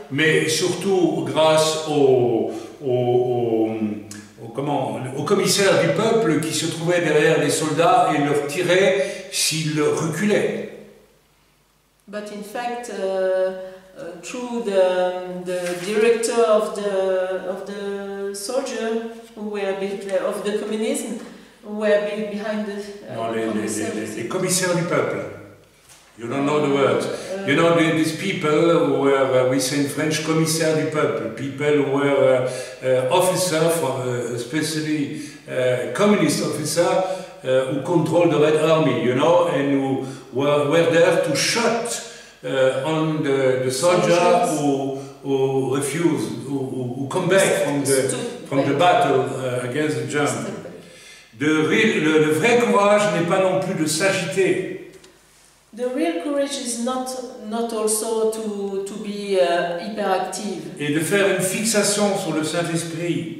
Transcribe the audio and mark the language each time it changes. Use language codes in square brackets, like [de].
[fr] Mais surtout grâce au commissaire du peuple qui se trouvait derrière les soldats et leur tirait s'ils reculaient. [en] But in fact, through the director of the soldier. Of the communism, were behind the [fr] les commissaires du peuple. [en] You don't know the words. You know these people who were, we say in French, [fr] commissaires du peuple. [en] People who were officers, especially communist officers, who controlled the Red Army, you know, and who were there to shoot on the soldier who refused, who come back from the battle against the Germans. [fr] Le vrai courage n'est pas non plus de s'agiter. [en] The real courage is not also to be hyperactive. [fr] Et de faire une fixation sur le Saint-Esprit.